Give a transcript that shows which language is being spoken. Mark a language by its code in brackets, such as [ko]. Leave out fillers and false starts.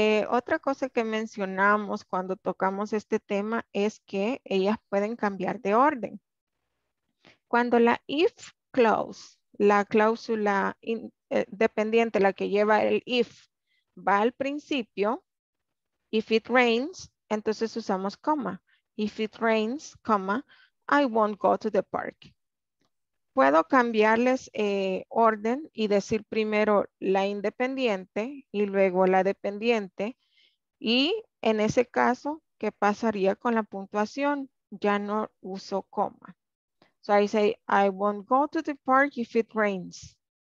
[es] Otra cosa que mencionamos cuando tocamos este tema es que ellas pueden cambiar de orden. Cuando la if clause, la cláusula dependiente, la que lleva el if, va al principio, [en] if it rains, [es] entonces usamos coma. [en] If it rains, comma, I won't go to the park. [es] Puedo cambiarles orden y decir primero la independiente y luego la dependiente. Y en ese caso, ¿qué pasaría con la puntuación? Ya no uso coma. [en] So I say, I won't go to the park if it rains.